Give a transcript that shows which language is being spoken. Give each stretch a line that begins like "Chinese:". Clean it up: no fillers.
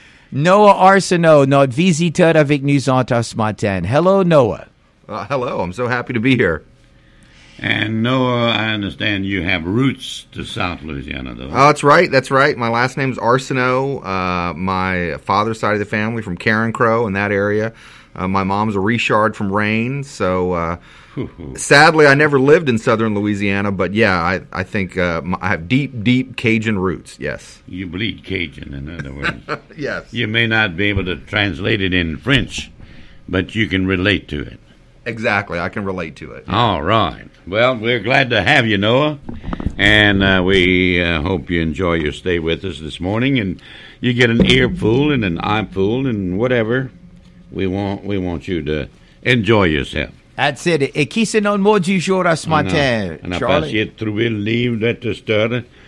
French: Noah Arsenault, notre visiteur avec nous en ce matin.
English: Hello, Noah. Hello. I'm so happy to be here. And, Noah, I understand you have roots to South Louisiana, though. That's right. My last name is Arsenault. My father's side of the family from Karen Crow in that area. My mom's a Richard from Rain, so sadly, I never lived in southern Louisiana, but yeah, I think I have deep, deep Cajun roots, yes. You bleed Cajun, in other words. Yes. You may not be able to translate it in French, but you can relate to it. Exactly, I can relate to it. All right. Well, we're glad to have you, Noah, and we hope you enjoy your stay with us this morning, and you get an earful and an eyeful and whatever. We want you to enjoy yourself. That's it.
French: Et qui c'est notre mot du jour à ce matin, Charlie? On a pas essayé de trouver le livre de Tester.